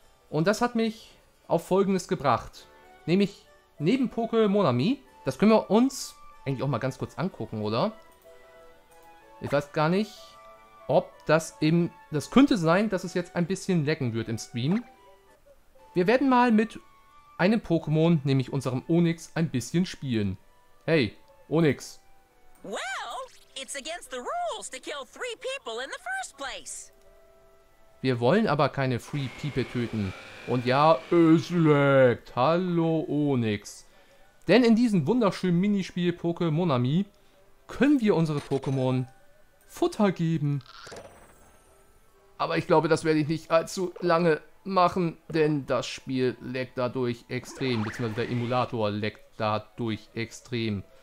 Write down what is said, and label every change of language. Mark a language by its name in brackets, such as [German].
[German] Und das hat mich auf Folgendes gebracht. Nämlich neben Pokémonami, das können wir uns eigentlich auch mal ganz kurz angucken, oder? Ich weiß gar nicht, ob das im... Das könnte sein, dass es jetzt ein bisschen laggen wird im Stream. Wir werden mal mit einem Pokémon, nämlich unserem Onix, ein bisschen spielen. Hey, Onix. [English] Well, it's against the rules to kill three people in the first place. [German] Wir wollen aber keine Free People töten. Und ja, es laggt. Hallo, Onix. Denn in diesem wunderschönen Minispiel Pokémonami können wir unsere Pokémon Futter geben. Aber ich glaube, das werde ich nicht allzu lange machen, denn das Spiel laggt dadurch extrem, beziehungsweise der Emulator laggt dadurch extrem.